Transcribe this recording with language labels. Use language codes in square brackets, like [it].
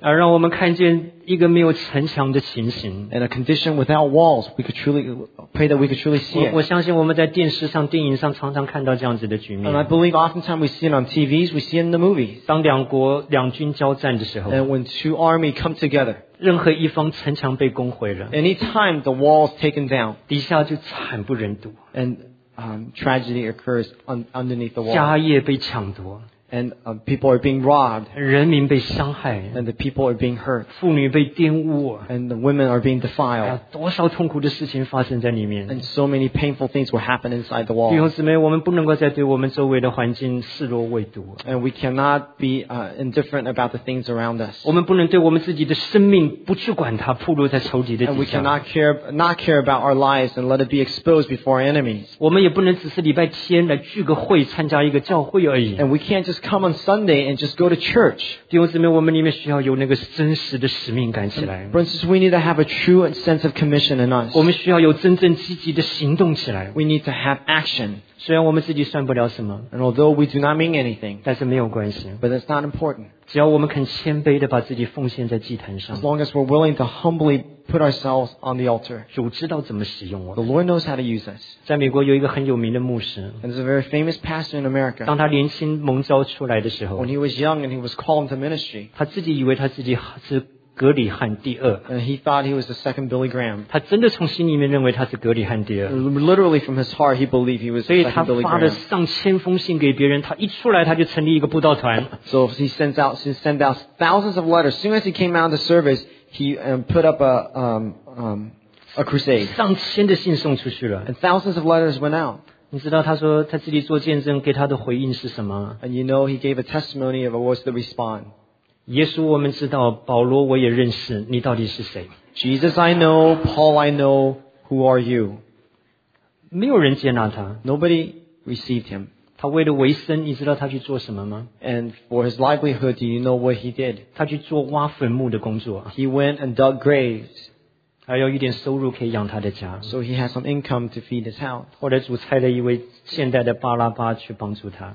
[zh] 而让我们看见一个没有城墙的情形。 [en] And a condition without walls, we could truly pray that we could truly see it. [zh] 我相信我们在电视上、电影上常常看到这样子的局面。 [en] And I believe oftentimes we see it on TVs, we see it in the movies. [zh] 当两国两军交战的时候。 [en] And when two armies come together. [zh] 任何一方城墙被攻毁了。 [en] Anytime the walls taken down. [zh] 底下就惨不忍睹。 [en] And tragedy occurs underneath the wall. [zh] 家业被抢夺。 [en] And people are being robbed. [zh] 人民被伤害。 [en] And the people are being hurt. [zh] 妇女被玷污。 [en] And the women are being defiled. [zh] 多少痛苦的事情发生在里面。 [en] And so many painful things will happen inside the wall. [zh] 弟兄姊妹，我们不能够再对我们周围的环境视若未睹。 [en] And we cannot be indifferent about the things around us. [zh] 我们不能对我们自己的生命不去管它，暴露在仇敌的底下。 [en] And we cannot not care about our lives and let it be exposed before our enemies. [zh] 我们也不能只是礼拜天来聚个会，参加一个教会而已。 [en] And we can't just come on Sunday and just go to church. [zh] 弟兄姊妹，我们里面需要有那个真实的使命感起来。 [en] Brothers, we need to have a true sense of commission in us. [zh] 我们需要有真正积极的行动起来。 [en] We need to have action. [zh] 虽然我们自己算不了什么。 [en] And although we do not mean anything. [zh] 但是没有关系。 [en] But it's not important. [zh] 只要我们肯谦卑地把自己奉献在祭坛上。 [en] As long as we're willing to humbly put ourselves on the altar. [zh] 主知道怎么使用我。 [en] The Lord knows how to use us. [zh] 在美国有一个很有名的牧师。 [en] And there's a very famous pastor in America. [zh] 当他年轻蒙召出来的时候。 [en] When he was young and he was called into ministry. [zh] 他自己以为他自己是格里汉第二。 [en] And he thought he was the second Billy Graham. [zh] 他真的从心里面认为他是格里汉第二。 [en] Literally from his heart, he believed he was the second Billy Graham. [zh] 所以他发了上千封信给别人，他一出来他就成立一个布道团。 [en] So he sent out thousands of letters. As soon as he came out of the service, he put up a crusade. [zh] 上千的信送出去了。 [en] And thousands of letters went out. [zh] 你知道他说他自己做见证给他的回应是什么？ [en] And you know he gave a testimony of what's the response. [zh] 耶稣我们知道，保罗我也认识，你到底是谁？ [en] Jesus I know, Paul I know, who are you? [zh] 没有人接纳他。 [en] Nobody received him. [zh] 他为了维生，你知道他去做什么吗？ [en] And for his livelihood, do you know what he did? [zh] 他去做挖坟墓的工作。 [en] He went and dug graves. [zh] 还有一点收入可以养他的家。 [en] So he has some income to feed his house. [zh] 或者主差了一位现代的巴拉巴去帮助他。